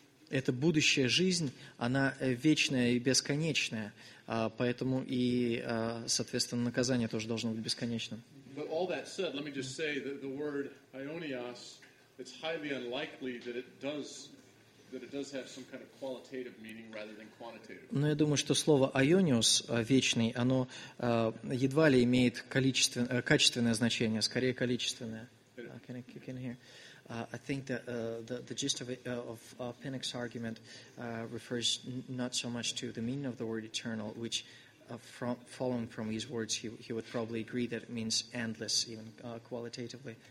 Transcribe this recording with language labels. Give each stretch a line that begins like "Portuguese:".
Russian: Эта будущая жизнь, она вечная и бесконечная, поэтому и, соответственно, наказание тоже должно быть бесконечным.
English: But all that said, let me just say that the word ionios, it's highly unlikely that it does have some kind of qualitative meaning rather than quantitative.
Russian: Но я думаю, что слово ionios, вечный, оно едва ли имеет качественное значение, скорее количественное.
English: Can I kick in here? I think that the gist of it, of Pinnock's argument refers not so much to the meaning of the word eternal, which from following from his words, he would probably agree that it means endless, even qualitatively.